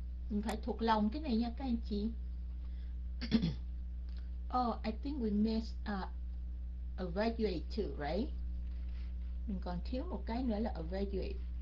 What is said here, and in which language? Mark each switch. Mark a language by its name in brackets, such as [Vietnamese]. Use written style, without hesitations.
[Vietnamese] Mình phải thuộc lòng cái này nha các anh chị. [English] Oh, I think we miss evaluate too, right? [Vietnamese] Mình còn thiếu một cái nữa là evaluate.